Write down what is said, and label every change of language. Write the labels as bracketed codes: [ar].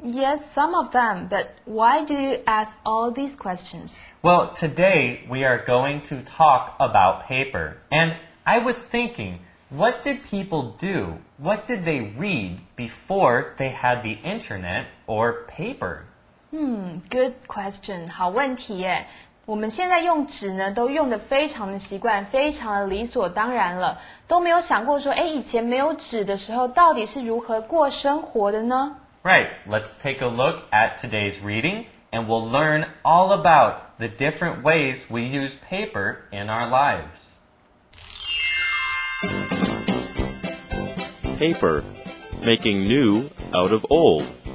[en] Yes, some of them, but why do you ask all these questions? Well, today we are going to talk about paper, and I was thinking,What did people do? What did they read before they had the internet or paper? Good question. [zh] 好问题耶。我们现在用纸呢都用得非常的习惯非常的理所当然了。都没有想过说哎以前没有纸的时候到底是如何过生活的呢 [en] Right, let's take a look at today's reading, and we'll learn all about the different ways we use paper in our lives. Paper, making new out of old.